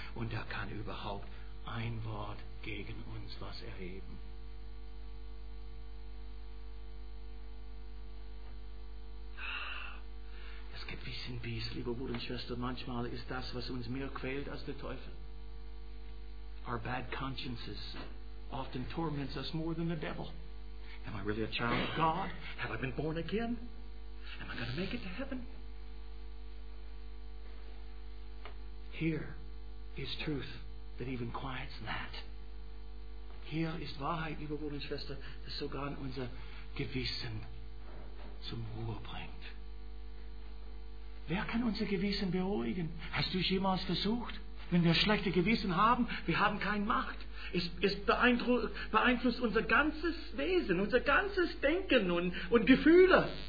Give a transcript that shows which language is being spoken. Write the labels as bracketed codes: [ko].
[de] Und er kann überhaupt ein Wort gegen uns was erheben. Gewissen Biss, liebe Bruder und Schwester, manchmal ist das, was uns mehr quält als der Teufel. [en] Our bad consciences often torments us more than the devil. Am I really a child of God? Have I been born again? Am I going to make it to heaven? Here is truth that even quiets that. [de] Hier ist Wahrheit, liebe Bruder und Schwester, das sogar unser Gewissen zum Ruhe bringt. Wer kann unser Gewissen beruhigen? Hast du es jemals versucht? Wenn wir schlechte Gewissen haben, wir haben keine Macht. Es beeinflusst unser ganzes Wesen, unser ganzes Denken und Gefühle.